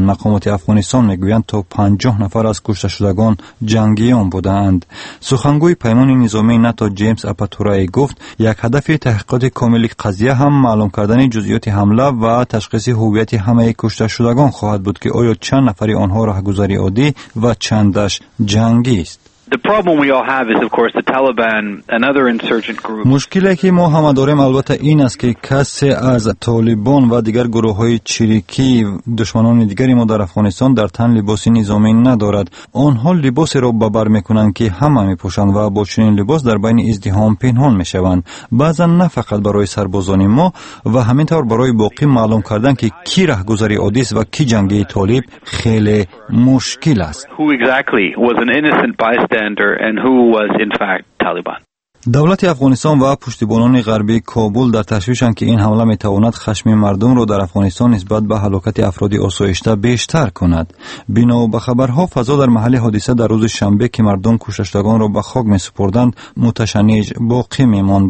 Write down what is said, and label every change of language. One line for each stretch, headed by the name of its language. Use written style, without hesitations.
Persian: مقامات افغانستان می گویند تا 50 نفر از کشته شدگان جنگیان بودند. سخنگوی پیمان نظامی ناتو جیمز اپاتورای گفت یک هدف تحقیقات کامل قضیه هم معلوم کردن جزئیات حمله و تشخیص هویت همه کشته شدگان خواهد بود که آیا چند نفری آنها راهگذاری عادی و چندش جنگی.
English: The problem we all have is of course the Taliban and other insurgent groups.
Persian: مشکلی که ما همه داریم البته این است که کسی از طالبان و دیگر گروه‌های چریکی دشمنان دیگری ما در افغانستان در تن لباس نظامی ندارد. آنها لباسی را به بر می‌کنند که همه می‌پوشند و با چنین لباس در بین ازدحام پنهان می‌شوند. بعضن نه فقط برای سربازان ما و همین طور برای باقی معلوم کردن که کی راهگذری عادی است و کی جنگی طالب خیلی مشکل است.
English: Who exactly was an innocent bystander and who was in fact Taliban.
Persian: دولت افغانستان و پشتیبانان غربی کابل در تشویشند که این حمله میتواند خشم مردم را در افغانستان نسبت به هلاکت افراد آسایشته بیشتر کند. بنا به خبرها فضا در محل حادثه در روز شنبه که مردم کشته شدگان را به خاک میسپردند متشنج باقی میماند.